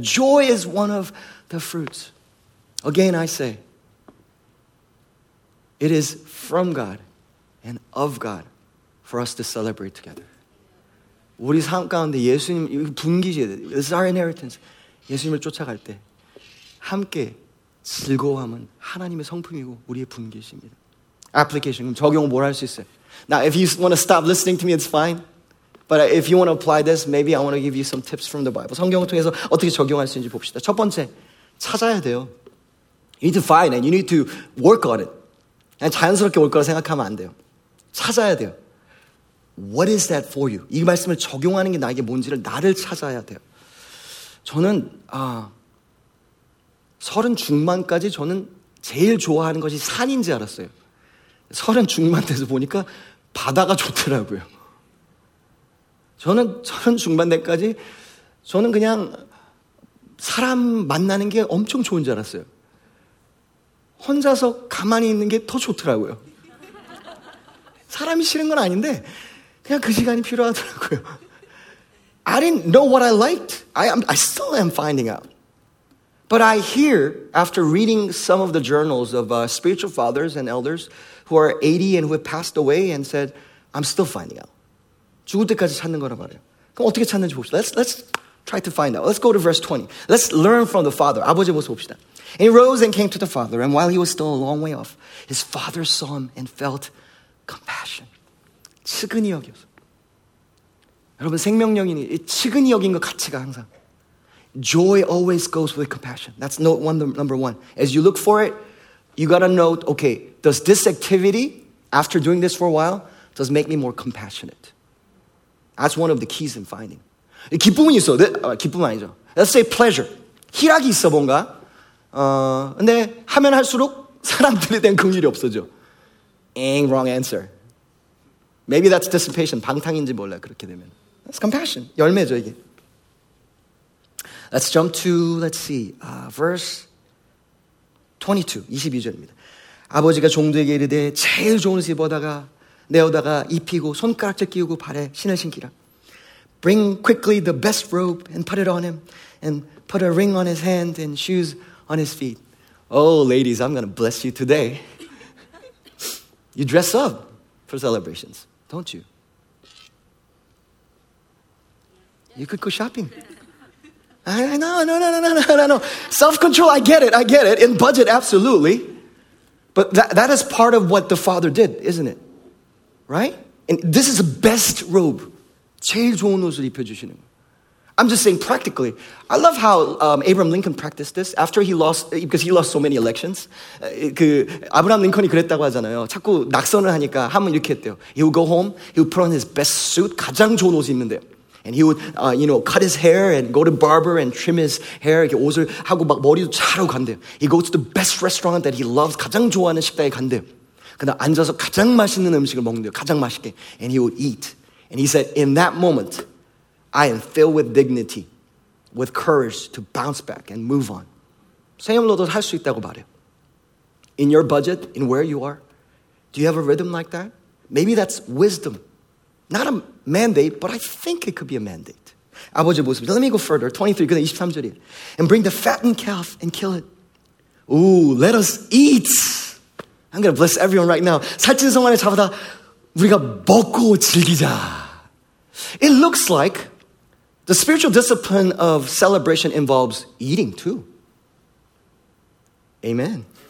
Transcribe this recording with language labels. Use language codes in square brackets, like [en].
[en] Joy is one of the fruits. Again, I say, it is from God and of God for us to celebrate together. [ko] 우리 삶 가운데 예수님, 분기지, [en] this is our inheritance. [ko] 예수님을 쫓아갈 때 함께 즐거워함은 하나님의 성품이고 우리의 분기지입니다. Application, 그럼 적용을 뭘 할 수 있어요? [en] Now, if you want to stop listening to me, it's fine. But if you want to apply this, maybe I want to give you some tips from the Bible. [ko] 성경을 통해서 어떻게 적용할 수 있는지 봅시다. 첫 번째, 찾아야 돼요. [en] You need to find it. You need to work on it. [ko] 그냥 자연스럽게 올 거라 생각하면 안 돼요. 찾아야 돼요. [en] What is that for you? [ko] 이 말씀을 적용하는 게 나에게 뭔지를 나를 찾아야 돼요. 저는 서른 중반까지 저는 제일 좋아하는 것이 산인 줄 알았어요. 서른 중반 돼서 보니까 바다가 좋더라고요. 저는 서른 중반 때까지 저는 그냥 사람 만나는 게 엄청 좋은 줄 알았어요. 혼자서 가만히 있는 게 더 좋더라고요. 사람이 싫은 건 아닌데 그냥 그 시간이 필요하더라고요. [en] I didn't know what I liked. I still am finding out. But I hear, after reading some of the journals of spiritual fathers and elders who are 80 and who have passed away and said, I'm still finding out. [ko] 죽을 때까지 찾는 거라 말해요. 그럼 어떻게 찾는지 봅시다. [en] Let's try to find out. Let's go to verse 20. Let's learn from the father. [ko] 아버지 모습 봅시다. [en] And he rose and came to the father. And while he was still a long way off, his father saw him and felt compassion. [ko] 측은히 여겼어. 여러분 생명력이 측은히 여긴 것 가치가 항상. [en] Joy always goes with compassion. That's note one, number one. As you look for it, you got to note, okay, does this activity, after doing this for a while, does make me more compassionate? That's one of the keys in finding. [ko] 기쁨이 있어. 기쁨 아니죠. [en] Let's say pleasure. [ko] 희락이 있어 뭔가. 근데 하면 할수록 사람들에 대한 긍휼이 없어져. [en] Ain't wrong answer. Maybe that's dissipation. [ko] 방탕인지 몰라 그렇게 되면. [en] That's compassion. [ko] 열매죠 이게. [en] Let's jump to, let's see, verse 22, [ko] 22절입니다. 아버지가 종들에게 이르되 제일 좋은 옷을 입어다가 내어다가 입히고 손가락질 끼우고 발에 신을 신기라. [en] Bring quickly the best robe and put it on him and put a ring on his hand and shoes on his feet. Oh, ladies, I'm going to bless you today. You dress up for celebrations, don't you? You could go shopping. No. Self-control, I get it. In budget, absolutely. But that is part of what the father did, isn't it? Right? And this is the best robe. [ko] 제일 좋은 옷을 입혀주시는 거. [en] I'm just saying practically. I love how Abraham Lincoln practiced this after he lost, because he lost so many elections. [ko] 그 아브라함 링컨이 그랬다고 하잖아요. 자꾸 낙선을 하니까 하면 이렇게 했대요. [en] He would go home, he would put on his best suit, [ko] 가장 좋은 옷 입는데요. [en] And he would, cut his hair and go to barber and trim his hair. [ko] 이렇게 옷을 하고 막 머리도 자르고 간대요. [en] He goes to the best restaurant that he loves, [ko] 가장 좋아하는 식당에 간대요. 근데 앉아서 가장 맛있는 음식을 먹는대요. 가장 맛있게. [en] And he would eat. And he said, in that moment, I am filled with dignity, with courage to bounce back and move on. [ko] 세임으로도 할 수 있다고 말해요. [en] In your budget, in where you are, do you have a rhythm like that? Maybe that's wisdom. Not a mandate, but I think it could be a mandate. [ko] 아버지 모습. [en] Let me go further. 23, [ko] 23절이에요. [en] And bring the fattened calf and kill it. Ooh, let us eat. I'm going to bless everyone right now. [ko] 살찐 성안을 잡아다 우리가 먹고 즐기자. [en] It looks like the spiritual discipline of celebration involves eating too. Amen.